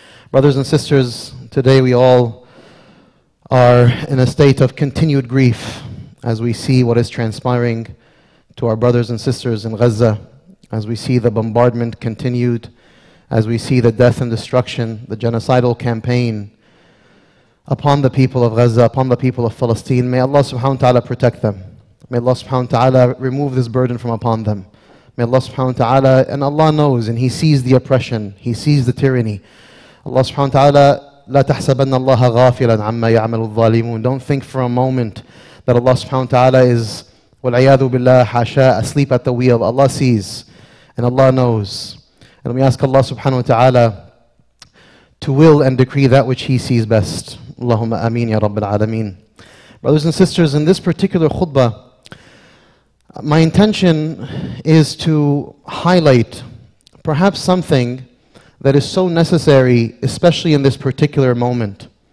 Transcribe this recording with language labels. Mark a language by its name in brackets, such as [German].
[English] Brothers and sisters, today we all are in a state of continued grief as we see what is transpiring to our brothers and sisters in Gaza, as we see the bombardment continued, as we see the death and destruction, the genocidal campaign upon the people of Gaza, upon the people of Palestine. May Allah subhanahu wa ta'ala protect them. May Allah subhanahu wa ta'ala remove this burden from upon them. May Allah subhanahu wa ta'ala, and Allah knows, and He sees the oppression, He sees the tyranny. [Arabic] Allah subhanahu wa ta'ala, لا تحسبن الله غافلا عما يعمل الظالمون. [English] Don't think for a moment that Allah subhanahu wa ta'ala is, [Arabic] والعياذ بالله حاشا, [English] asleep at the wheel. Allah sees, and Allah knows. And we ask Allah subhanahu wa ta'ala to will and decree that which He sees best. Allahumma ameen ya rabbal alameen. Brothers and sisters, in this particular khutbah, my intention is to highlight perhaps something that is so necessary, especially in this particular moment.